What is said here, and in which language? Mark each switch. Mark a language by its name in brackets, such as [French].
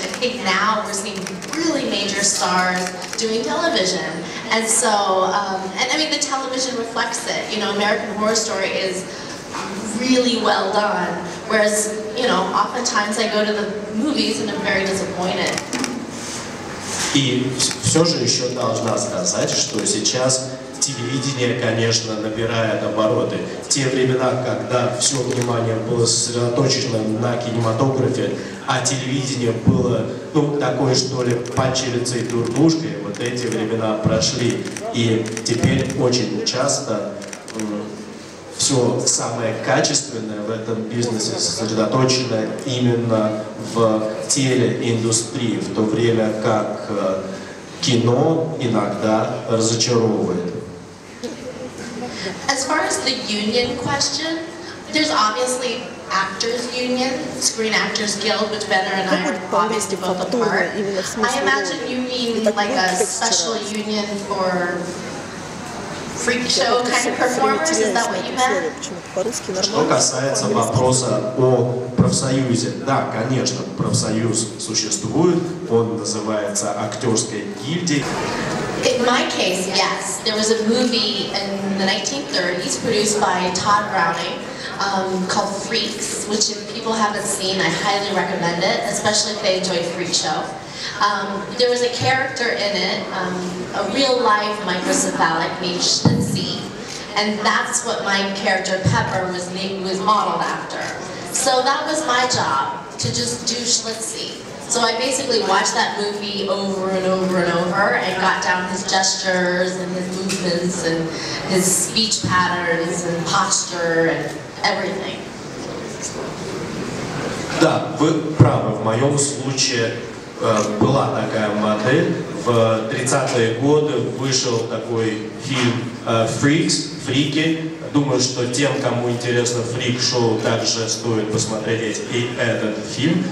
[English] I think now we're seeing really major stars doing television, and so, and I mean, the television reflects it. You know, American Horror Story is really well done, whereas, you know, oftentimes I go to the movies and I'm very disappointed. [Russian] И все же еще должна сказать, что сейчас телевидение, конечно, набирает обороты. Те времена, когда все внимание было сосредоточено на кинематографе, а телевидение было, ну, такой, что ли, падчерицей и дурнушкой, вот эти времена прошли. И теперь очень часто все самое качественное в этом бизнесе сосредоточено именно в телеиндустрии, в то время как кино иногда разочаровывает. [English] As far as the union question, there's obviously Actors Union, Screen Actors Guild, which Benner and I are obviously both a part. I imagine you mean like a special union for freak show kind of performers, is that what you meant? [Russian] Что касается вопроса о профсоюзе, да, конечно, профсоюз существует, он называется Актерской гильдией. [English] In my case, yes. There was a movie in the 1930s produced by Todd Browning called Freaks, which if people haven't seen, I highly recommend it, especially if they enjoy Freak Show. There was a character in it, a real-life microcephalic named Shinzie, and that's what my character Pepper was named, was modeled after. So that was my job, to just do Shinzie. So I basically watched that movie over and over and over and got down his gestures and his movements and his speech patterns and posture and everything. [Russian] Да, вы правы. В моем случае была такая модель. В 30-е годы вышел такой фильм «Фрикс», «Фрики». Думаю, что тем, кому интересно фрик-шоу, также стоит посмотреть и этот фильм.